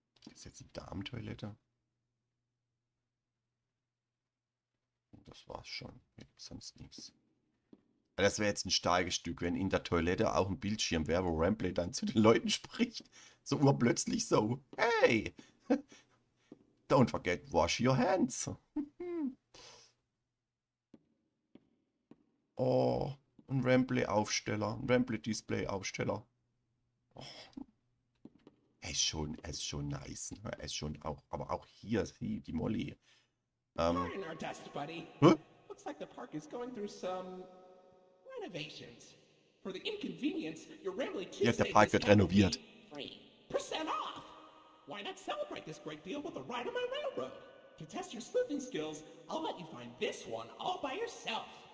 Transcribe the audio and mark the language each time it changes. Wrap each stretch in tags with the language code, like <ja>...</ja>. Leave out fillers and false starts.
<de>Ist jetzt die Damentoilette. Das war's schon. Sonst nichts. Das wäre jetzt ein starkes Stück, wenn in der Toilette auch ein Bildschirm wäre, wo Ramblay dann zu den Leuten spricht. So urplötzlich so. Hey!</de> <en>Don't forget, wash your hands.</en> <de>Oh, ein Ramblay-Aufsteller, ein Ramblay-Display-Aufsteller. Oh. Er ist schon nice. Ne? Er ist schon auch, aber auch hier, sieh, die Molly.</de> <en>In our dust, buddy. Looks like the park is going through some renovations. For the inconvenience, your Rambly</en> <de>Ja, der</de> <en>Tuesday</en> <de>Park wird</de> <en>discount will be</en> <de>renoviert.</de> <en>3% off. Why not celebrate this great deal with a ride on my railroad? To test your sleuthing skills, I'll let you find this one all by yourself.</en>